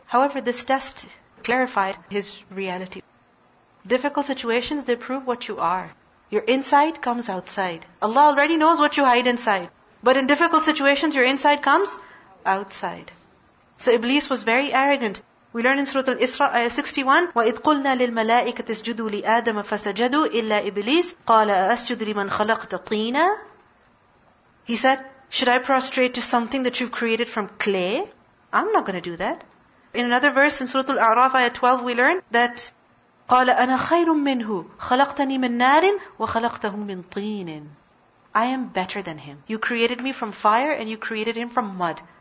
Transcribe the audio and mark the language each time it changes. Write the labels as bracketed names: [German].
[English] However, this test clarified his reality. Difficult situations, they prove what you are. Your inside comes outside. Allah already knows what you hide inside. But in difficult situations, your inside comes outside. So Iblis was very arrogant. We learn in Surah Al-Isra, ayah 61, [Arabic] وَإِذْ قُلْنَا لِلْمَلَائِكَةِ اسْجُدُوا لِآدَمَ فَسَجَدُوا إِلَّا إِبْلِيسَ قَالَ أَسْجُدُ لِمَنْ خَلَقْتَ طِينًا. [English] He said, should I prostrate to something that you've created from clay? I'm not going to do that. In another verse in Surah Al-A'raf, ayah 12, we learn that, [Arabic] قَالَ أَنَا خَيْرٌ مِّنْهُ خَلَقْتَنِي مِنْ نَارٍ وَخَلَقْتَهُ مِنْ طِينٍ. [English] I am better than him. You created me from fire and you created him from mud.